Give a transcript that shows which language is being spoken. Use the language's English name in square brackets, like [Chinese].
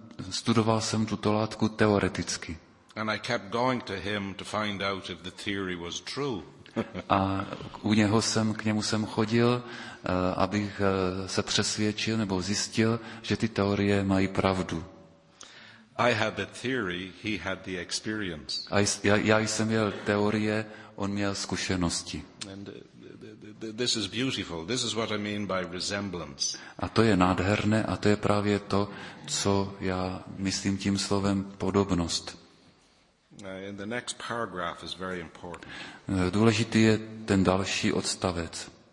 [Czech] Studoval jsem tuto látku teoreticky. [English] And I kept going to him to find out if the theory was true. [Czech] A k němu jsem chodil, abych se přesvědčil nebo zjistil, že ty teorie mají pravdu. [English] I had the theory, he had the experience. [Czech] Já jsem měl teorie, on měl zkušenosti. [English] And this is beautiful. This is what I mean by resemblance. [Czech] A to je nádherné, a to je právě to, co já myslím tím slovem podobnost. [English] And the next paragraph is very important. [Czech] Důležitý je ten další odstavec.